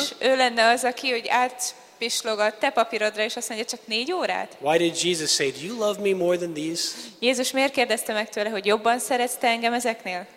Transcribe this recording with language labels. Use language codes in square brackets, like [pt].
[hu] És ő lenne az, aki úgy átpislogott te papírodra, és azt mondja, csak 4 órát? [en] Why did Jesus say, do you love me more than these? [hu] Jézus miért kérdezte meg tőle, hogy jobban szeretsz te engem ezeknél?